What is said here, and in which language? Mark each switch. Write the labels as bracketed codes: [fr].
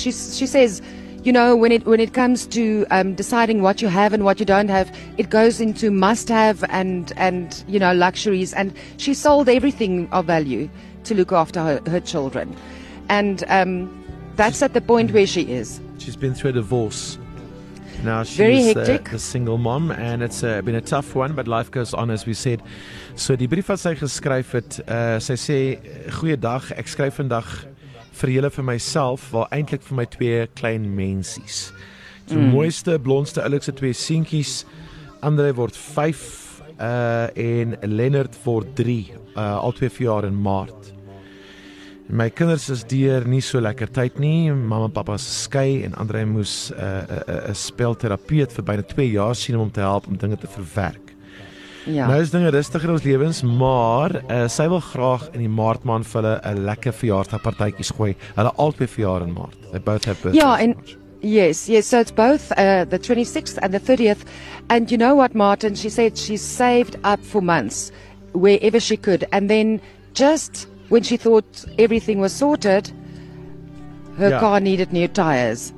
[en] She says, you know, when it comes to deciding what you have and what you don't have, it goes into must have and you know, luxuries. And she sold everything of value to look after her children. And that's at the point where she is. She's been through a divorce. Now she's very hectic. A single mom, and it's been a tough one, but life goes on, as we said. [af] So die brief wat sy geskryf het, sy sê, goeiedag, ek skryf vandag vir julle vir myself, wel eintlik vir my twee klein mensies. Die mooiste, blondste, oulikste twee seentjies. André word 5 en Leonard word 3, al 2 jaar in Maart. My kinders is deur nie so lekker tyd nie. Mama en papa se skei en André moes 'n spelterapeut vir byna 2 jaar sien om te help om dinge te verwerk. Ja. Nou is dinge rustiger in ons lewens, maar sy wil graag in die Maart maand vir hulle 'n lekker verjaarsdagpartytjie gooi. Hulle albei verjaar in Maart. [en] They both have birthdays. Ja, en yes, so it's both the 26th and the 30th. And you know what, Martin, she said she saved up for months wherever she could, and then just when she thought everything was sorted, her car needed new tires.